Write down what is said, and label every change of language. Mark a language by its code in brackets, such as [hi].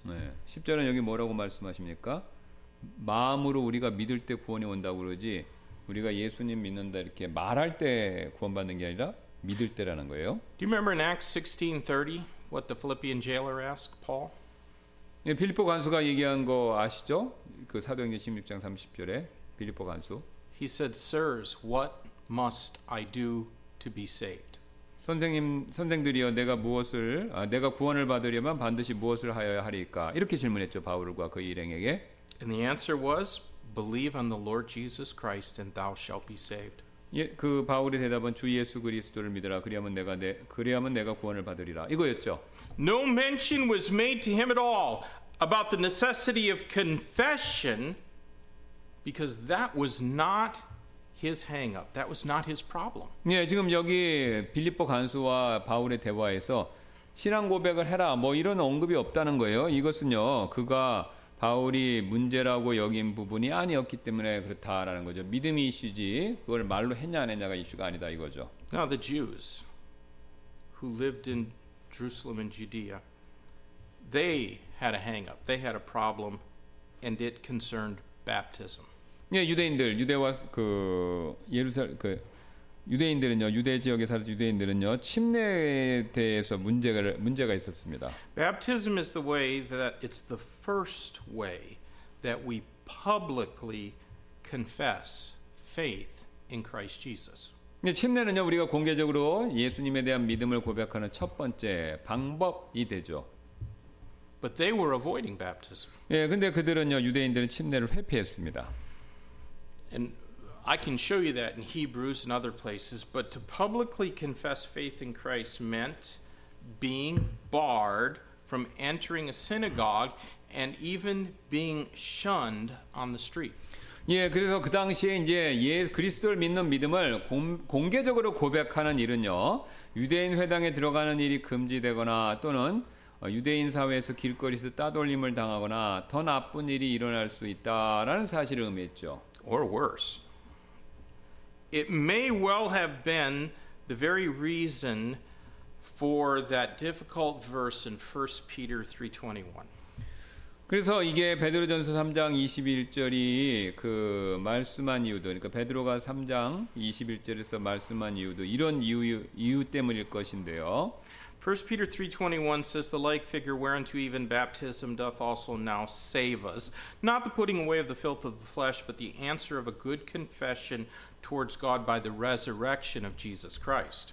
[ko] 네, 10절은 여기 뭐라고 말씀하십니까? 마음으로 우리가 믿을 때 구원이 온다고 그러지 우리가 예수님 믿는다 이렇게 말할 때 구원받는 게 아니라 믿을 때라는 거예요. [en] Do you remember in Acts 16:30 what the Philippian jailer asked Paul? [ko] 예, 빌립보 관수가 얘기한 거 아시죠? 그 사도행전 16장 30절에 빌립보 관수. [en] He said, "Sirs, what must I do to be saved?" [ko] 선생님, 선생들이여, 내가 무엇을 아, 내가 구원을 받으려면 반드시 무엇을 하여야 하리까? 이렇게 질문했죠 바울과 그 일행에게. [en] And the answer was, "Believe on the Lord Jesus Christ, and thou shalt be saved." [ko] 예, 그 바울의 대답은 주 예수 그리스도를 믿으라. 그리하면 내가 내 그리하면 내가 구원을 받으리라. 이거였죠. [en] No mention was made to him at all about the necessity of confession, because that was not his hang-up. That was not his problem. [ko] 예, 지금 여기 빌립보 간수와 바울의 대화에서 신앙 고백을 해라 뭐 이런 언급이 없다는 거예요. 이것은요, 그가 바울이 문제라고 여긴 부분이 아니었기 때문에 그렇다라는 거죠. 믿음이 이슈지 그걸 말로 했냐 안 했냐가 이슈가 아니다 이거죠. [en] Now the Jews who lived in Jerusalem and Judea, they had a hang-up. They had a problem, and it concerned baptism. [ko] 예, 유대인들, 유대와 그 예루살 그 유대인들은요, 유대 지역에 살던 유대인들은요, 침례에 대해서 문제가 있었습니다. [en] Baptism is the way that it's the first way that we publicly confess faith in Christ Jesus. [ko] 네, 침례는요, 우리가 공개적으로 예수님에 대한 믿음을 고백하는 첫 번째 방법이 되죠. [en] But they were avoiding baptism. [ko] 예, 근데 그들은요, 유대인들은 침례를 회피했습니다. [en] And I can show you that in Hebrews and other places, but to publicly confess faith in Christ meant being barred from entering a synagogue and even being shunned on the street. [ko] 예, 그래서 그 당시에 이제 예 그리스도를 믿는 믿음을 공개적으로 고백하는 일은요, 유대인 회당에 들어가는 일이 금지되거나 또는 유대인 사회에서 길거리에서 따돌림을 당하거나 더 나쁜 일이 일어날 수 있다라는 사실을 의미했죠. [en] Or worse. It may well have been the very reason for that difficult verse in 1 Peter 3:21. [ko] 그래서 이게 베드로전서 3장 21절이 그 말씀한 이유도 그러니까 베드로가 3장 21절에서 말씀한 이유도 이런 이유 때문일 것인데요. [en] 1 Peter 3:21 says the like figure whereunto even baptism doth also now save us, not the putting away of the filth of the flesh, but the answer of a good confession towards God by the resurrection of Jesus Christ.